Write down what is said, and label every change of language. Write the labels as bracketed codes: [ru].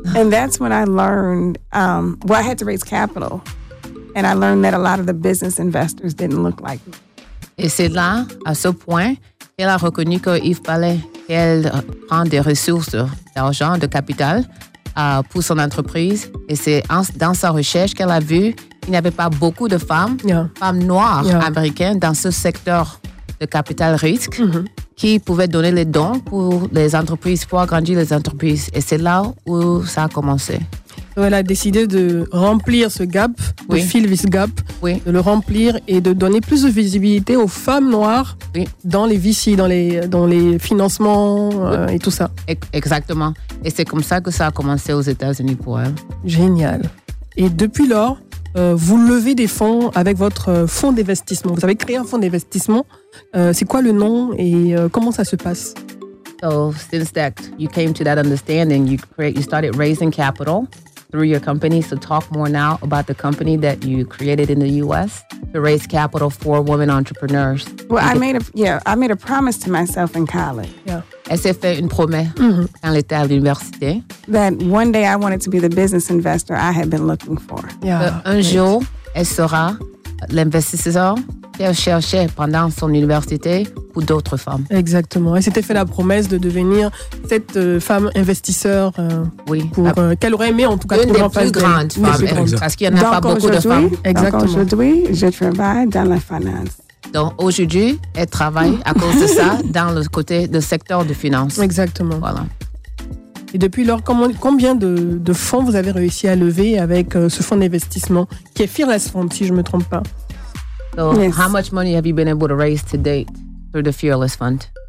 [en] And that's when I learned, I had to raise capital. And I learned that a lot of the business investors didn't look like me. [fr] Et c'est là, à ce point, qu'elle a reconnu qu'il fallait qu'elle prenne des ressources d'argent, de capital pour son entreprise. Et c'est dans sa recherche qu'elle a vu qu'il n'y avait pas beaucoup de femmes noires américaines dans ce secteur de capital risque. Mm-hmm. Qui pouvait donner les dons pour les entreprises, pour agrandir les entreprises. Et c'est là où ça a commencé. Elle a décidé de remplir ce gap, de [en] fill this gap, [fr] de le remplir et de donner plus de visibilité aux femmes noires dans les VC, dans les financements et tout ça. Exactement. Et c'est comme ça que ça a commencé aux États-Unis pour elle. Génial. Et depuis lors, vous levez des fonds avec votre fonds d'investissement. Vous avez créé un fonds d'investissement. C'est quoi le nom et comment ça se passe? [en] So, since that, you came to that understanding, you started raising capital through your company. So, talk more now about the company that you created in the U.S. to raise capital for women entrepreneurs. Well, I made a promise to myself in college. Yeah. [fr] Elle s'est fait une promesse quand elle était à l'université. [en] That one day I wanted to be the business investor I had been looking for. Yeah. [fr] Un jour, elle sera l'investisseur qu'elle cherchait pendant son université pour d'autres femmes. Exactement. Elle s'était fait la promesse de devenir cette femme investisseur qu'elle aurait aimé, en tout cas, une des plus grandes femmes. Parce qu'il n'y en a pas beaucoup de femmes. Exactement. Donc aujourd'hui, je travaille dans la finance. Donc aujourd'hui, elle travaille à cause de ça dans le côté de secteur de finance. Exactement. Voilà. Et depuis lors, combien de fonds vous avez réussi à lever avec ce fonds d'investissement qui est Fearless Fund, si je ne me trompe pas? [en] So, yes. How much money have you been able to raise to date through the Fearless Fund?